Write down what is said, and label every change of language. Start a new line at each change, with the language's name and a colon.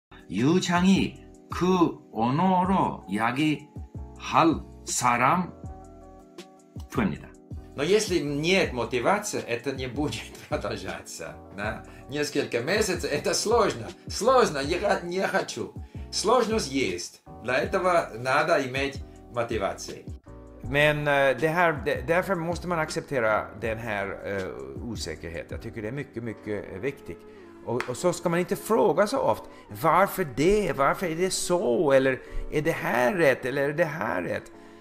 Korean: 유창이 그 언어로 이야기할 사람입니다.
Russian: Но если нет мотивации, это не будет продолжаться. Да? Несколько месяцев, это сложно. Сложно, я не хочу. Сложность есть. Для этого надо иметь мотивацию.
Swedish: Men därför måste man acceptera den här osäkerheten. Jag tycker det är mycket, mycket viktigt. Och så ska man inte fråga så ofta, varför det? Varför är det så? Eller är det här rätt? Eller är det här rätt?